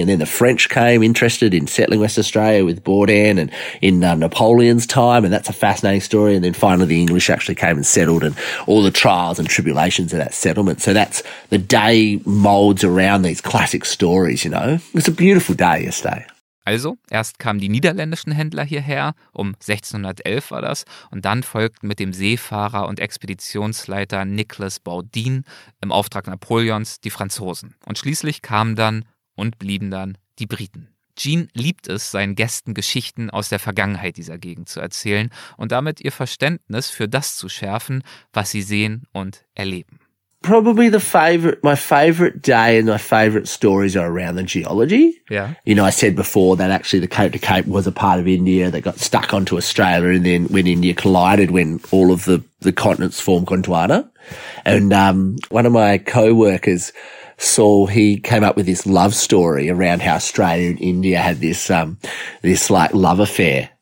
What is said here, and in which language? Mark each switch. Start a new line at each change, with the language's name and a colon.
English: And then the French came interested in settling West Australia with Bourdain and in Napoleon's time. And that's a fascinating story. And then finally the English actually came and settled, and all the trials and tribulations of that settlement. So that's the day molds around these classic stories, you know. It's a beautiful day yesterday.
German: Also, erst kamen die niederländischen Händler hierher, um 1611 war das, und dann folgten mit dem Seefahrer und Expeditionsleiter Nicolas Baudin im Auftrag Napoleons die Franzosen. Und schließlich kamen dann und blieben dann die Briten. Jean liebt es, seinen Gästen Geschichten aus der Vergangenheit dieser Gegend zu erzählen und damit ihr Verständnis für das zu schärfen, was sie sehen und erleben.
English: Probably my favorite day and my favorite stories are around the geology. Yeah. You know, I said before that actually the Cape to Cape was a part of India that got stuck onto Australia, and then when India collided, when all of the continents formed Gondwana. And, one of my co-workers, Saul, he came up with this love story around how Australia and India had this like love affair.